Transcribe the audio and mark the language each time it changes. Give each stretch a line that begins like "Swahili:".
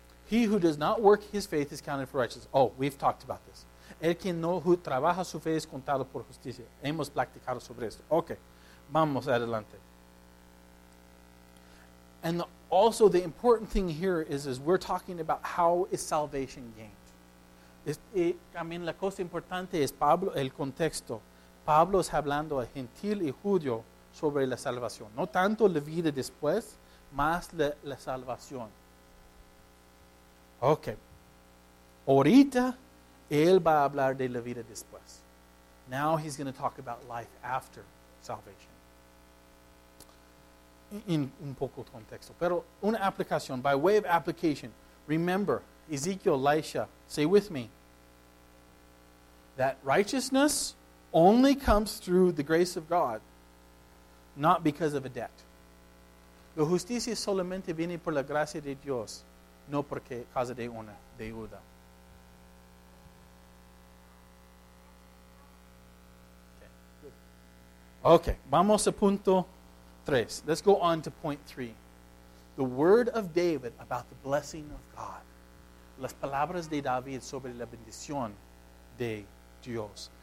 English: He who does not work his faith is counted for righteousness. Oh, we've talked about this.
Spanish: El que no trabaja su fe es contado por justicia. Hemos platicado sobre esto. Okay, vamos adelante.
English: And also the important thing here is we're talking about how is salvation gained.
Spanish: También la cosa importante es Pablo, el contexto. Pablo es hablando a gentil y judío sobre la salvación. No tanto la vida después, más la salvación. Ok. Ahorita, él va a hablar de la vida después.
English: Now he's going to talk about life after salvation.
Spanish: En un poco contexto. Pero una aplicación,
English: by way of application, remember, Ezekiel, Elisha, say with me, that righteousness only comes through the grace of God, not because of a debt.
Spanish: La justicia solamente viene por la gracia de Dios, no porque causa de una deuda.
English: Okay,
Spanish: vamos a punto tres.
English: Let's go on to point three. The word of David about the blessing of God.
Spanish: Las palabras de David sobre la bendición de Dios.